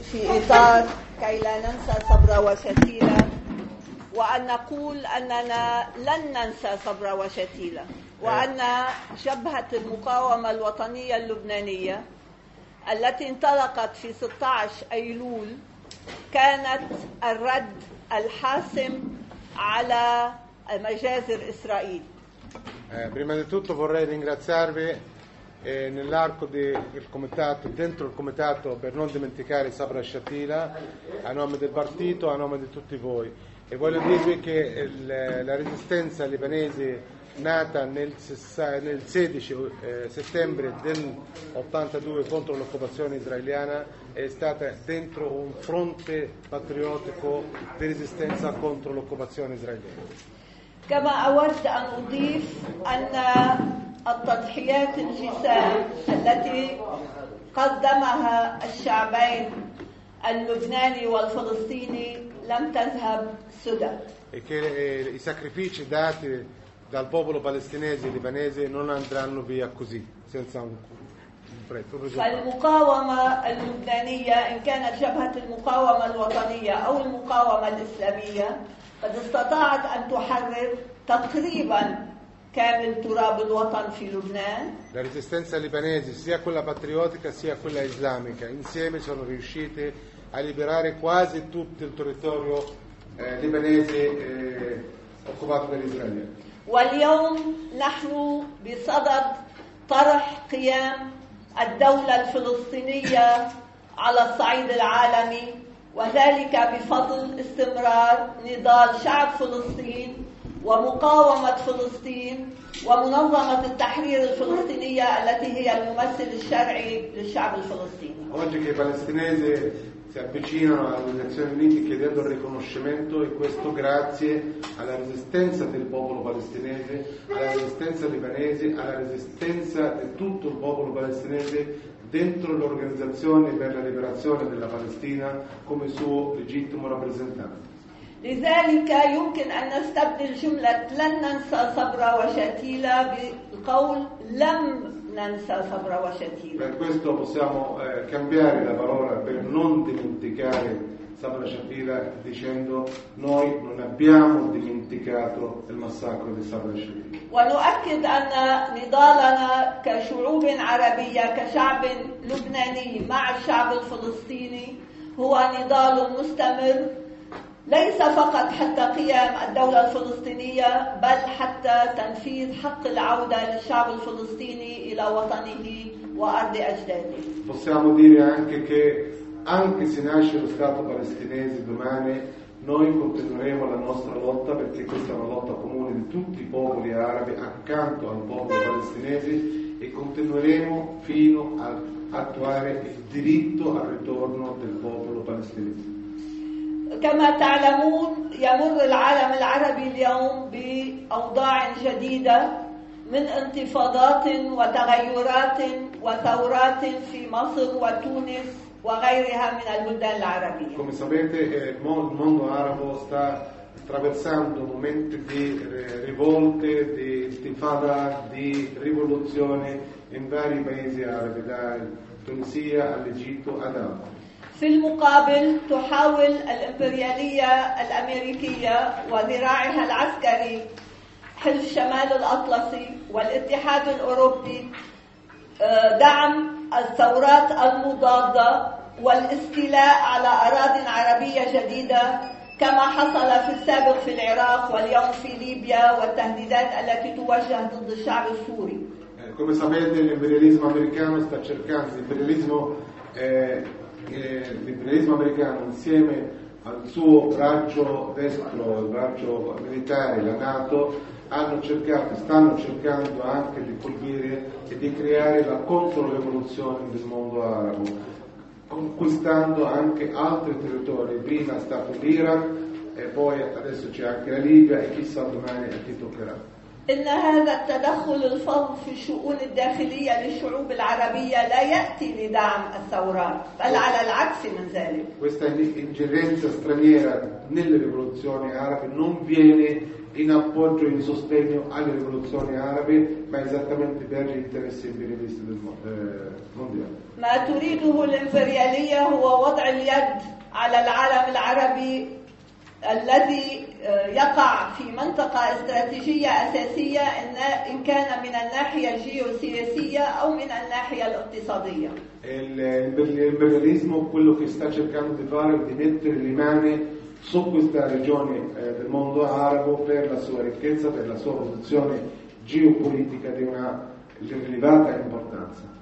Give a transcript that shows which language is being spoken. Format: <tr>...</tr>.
<ar>إطار كي لا ننسى صبرا وشتيلا، وأن نقول أننا لن ننسى صبرا وشتيلا، وأن جبهة المقاومة الوطنية اللبنانية التي انطلقت في 16 أيلول كانت الرد الحاسم على مجازر إسرائيل.</ar> <it>Prima di tutto vorrei ringraziarvi nell'arco del comitato, dentro il comitato, per non dimenticare Sabra Shatila, a nome del partito, a nome di tutti voi. E voglio dirvi che la resistenza libanese nata nel 16 settembre del 82 contro l'occupazione israeliana è stata dentro un fronte patriottico di resistenza contro l'occupazione israeliana.</it> <ar>كما أود أن أضيف أن التضحيات الجسام التي قدمها الشعبين اللبناني والفلسطيني لم تذهب سدى.</ar> <it>E che i sacrifici dati dal popolo palestinese e libanese non andranno via così senza un prezzo.</it> <ar>فالمقاومة اللبنانية إن كانت جبهة المقاومة الوطنية أو المقاومة الإسلامية قد استطاعت أن تحرر تقريبا كامل تراب الوطن في لبنان.</ar> <it>La resistenza libanese, sia quella patriottica sia quella islamica, insieme sono riuscite a liberare quasi tutto il territorio libanese occupato dall'Israele.</it> <ar>واليوم نحن بصدد طرح قيام الدولة الفلسطينية على الصعيد العالمي، وذلك بفضل استمرار نضال شعب فلسطين ومقاومة فلسطين ومنظمة التحرير الفلسطينية التي هي الممثل الشرعي للشعب الفلسطيني.</ar> <it>Oggi che i palestinesi si avvicinano alle Nazioni Unite chiedendo il riconoscimento, e questo grazie alla resistenza del popolo palestinese, alla resistenza libanese, alla resistenza di tutto il popolo palestinese dentro l'organizzazione per la liberazione della Palestina come suo legittimo rappresentante.</it> <ar>لذلك يمكن أن نستبدل جملة لن ننسى صبرا وشتيلا بالقول لم ننسى صبرا وشتيلا.</ar> <it>Per questo possiamo cambiare la parola per non dimenticare صبرا وشتيلا dicendo noi non abbiamo dimenticato il massacro di صبرا وشتيلا.</it> <ar>ونؤكد أن نضالنا كشعوب عربية كشعب لبناني مع الشعب الفلسطيني هو نضال مستمر. ليس فقط حتى قيام الدولة الفلسطينية بل حتى تنفيذ حق العودة للشعب الفلسطيني إلى وطنه وأرض أجداده.</ar> <it>Possiamo dire anche che anche se nasce lo Stato palestinese domani, noi continueremo la nostra lotta perché questa è una lotta comune di tutti i popoli arabi accanto al popolo palestinese, e continueremo fino a attuare il diritto al ritorno del popolo palestinese.</it> <ar>كما تعلمون يمر العالم العربي اليوم بأوضاع جديدة من انتفاضات وتغيرات وثورات في مصر وتونس وغيرها من البلدان العربية.</ar> <it>Come sapete, il mondo arabo sta attraversando momenti di rivolte, di intifada, di rivoluzione in vari paesi arabi, da Tunisia all'Egitto ad altri.</it> <ar>في المقابل تحاول الإمبريالية الأمريكية وذراعها العسكري حلف شمال الأطلسي والاتحاد الأوروبي دعم الثورات المضادة والاستيلاء على أراضي عربية جديدة كما حصل في السابق في العراق واليوم في ليبيا والتهديدات التي توجه ضد الشعب السوري.</ar> <it>Come sapete l'imperialismo americano sta cercando l'imperialismo l'imperialismo americano insieme al suo braccio destro, il braccio militare, la NATO, stanno cercando anche di colpire e di creare la controrivoluzione del mondo arabo, conquistando anche altri territori. Prima è stato l'Iran e poi adesso c'è anche la Libia, e chissà domani a chi toccherà.</it> <ar>إن هذا التدخل الفظ في الشؤون الداخلية للشعوب العربية لا يأتي لدعم الثورات بل على العكس من ذلك.</ar> <it>questa ingerenza straniera nelle rivoluzioni arabe non viene in appoggio e in sostegno alle rivoluzioni arabe, ma esattamente per gli interessi imperialisti del mondo.</it> <ar>الذي يقع في منطقة استراتيجية أساسية إن كان من الناحية الجيوسياسية أو من الناحية الاقتصادية.</ar> <it>L'imperialismo quello che sta cercando di fare è di mettere le mani su questa regione del mondo arabo per la sua ricchezza, per la sua posizione geopolitica di una rilevata importanza.</it>